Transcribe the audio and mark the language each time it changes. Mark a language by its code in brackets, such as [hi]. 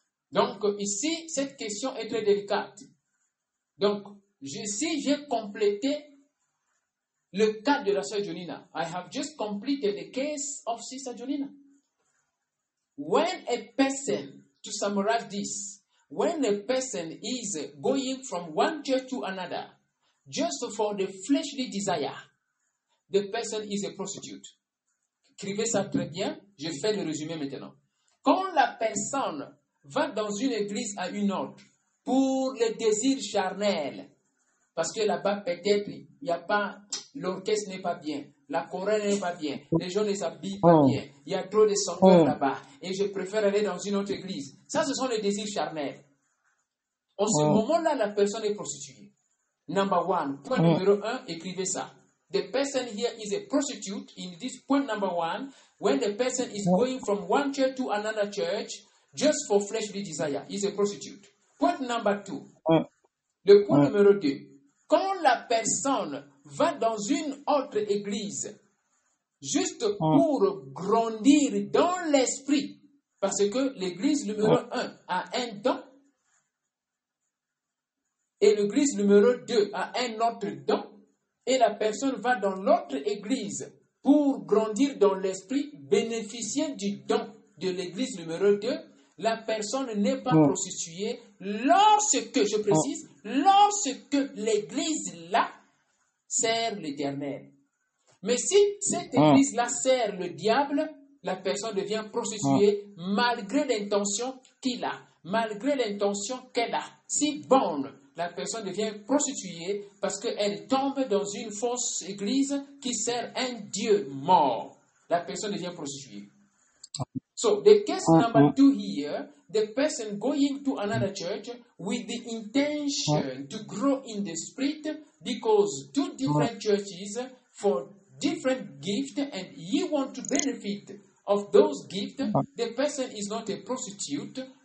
[fr] Donc, ici, cette question est très délicate. Donc, si j'ai complété le cas de la sœur Jonina, [en] I have just completed the case of Sister Jonina. When a person, to summarize this, when a person is going from one church to another just for the fleshly desire, the person is a prostitute. [fr] Écrivez ça très bien. Je fais le résumé maintenant. Quand la personne va dans une église à une autre pour le désir charnel, parce que là-bas, peut-être, il n'y a pas, l'orchestre n'est pas bien, la chorale n'est pas bien, les gens ne s'habillent pas bien, il y a trop de chanteurs là-bas, et je préfère aller dans une autre église. Ça, ce sont les désirs charnels. En ce moment-là, la personne est prostituée. [en] Number one, [fr] point numéro un, écrivez ça. [en] The person here is a prostitute in this point number one, when the person is going from one church to another church just for fleshly desire, is a prostitute. Point number two. [fr] Le point numéro deux. Quand la personne va dans une autre église juste pour grandir dans l'esprit, parce que l'église numéro un a un don et l'église numéro deux a un autre don, et la personne va dans l'autre église pour grandir dans l'esprit, bénéficier du don de l'église numéro 2, la personne n'est pas prostituée lorsque, je précise, lorsque l'église-là sert l'Éternel. Mais si cette église-là sert le diable, la personne devient prostituée malgré l'intention qu'il a, malgré l'intention qu'elle a, si bonne. La personne devient prostituée parce qu'elle tombe dans une fausse église qui sert un dieu mort. La personne devient prostituée. [en] So, the case number two here, the person going to another church with the intention to grow in the spirit because two different churches for different gifts and he want to benefit of those gifts, the person is not a prostitute.